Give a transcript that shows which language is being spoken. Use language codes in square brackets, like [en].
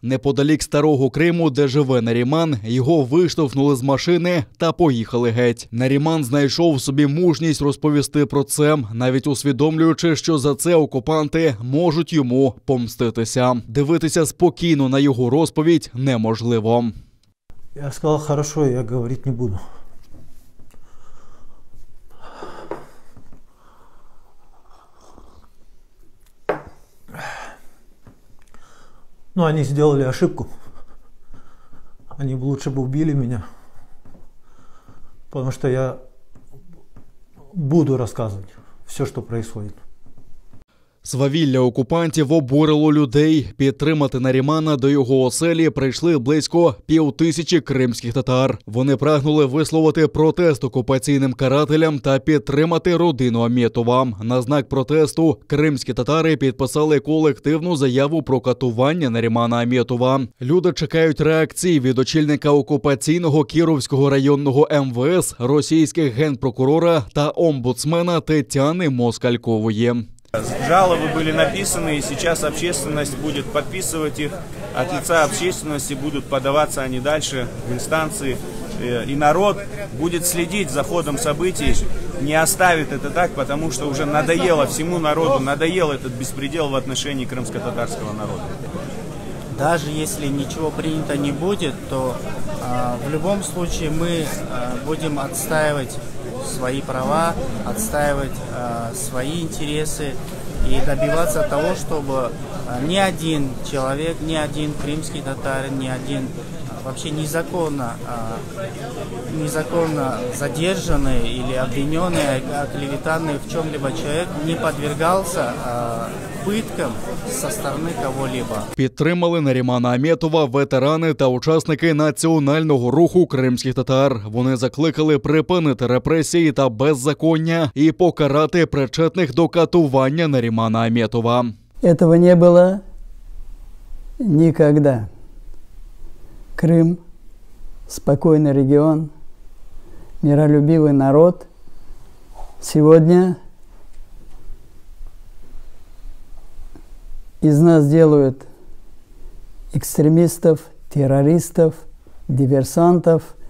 [uk] Неподалік Старого Криму, де живе Наріман, його виштовхнули з машини та поїхали геть. Наріман знайшов в собі мужність розповісти про це, навіть усвідомлюючи, що за це окупанти можуть йому помститися. Дивитися спокійно на його розповідь неможливо. Я сказав, хорошо, я говорити не буду. Ну, вони зробили ошибку. [ru] Они бы лучше бы убили меня, потому что я буду рассказывать все, что происходит. [uk] Свавілля окупантів обурило людей. Підтримати Нарімана до його оселі прийшли близько 5000 кримських татар. Вони прагнули висловити протест окупаційним карателям та підтримати родину Амєтова. На знак протесту кримські татари підписали колективну заяву про катування Нарімана Амєтова. Люди чекають реакції від очільника окупаційного Кіровського районного МВС, російських генпрокурора та омбудсмена Тетяни Москалькової. [ru] Жалобы были написаны, и сейчас общественность будет подписывать их. От лица общественности будут подаваться они дальше в инстанции. И народ будет следить за ходом событий, не оставит это так, потому что уже надоело всему народу, надоел этот беспредел в отношении крымско-татарского народа. Даже если ничего принято не будет, то в любом случае мы будем отстаивать свои права, отстаивать свои интересы и добиваться того, чтобы ни один человек, ни один крымский татарин, ни один вообще незаконно задержанный или обвиненный, оклеветанный в чем-либо человек не подвергался пыткам со стороны кого-либо. [uk] Підтримали Нарімана Амєтова ветерани та учасники національного руху кримських татар. Вони закликали припинити репресії та беззаконня і покарати причетних до катування Нарімана Амєтова. [ru] Этого не было никогда. Крым – спокойный регион, миролюбивый народ. Сегодня из нас делают экстремистов, террористов, диверсантов.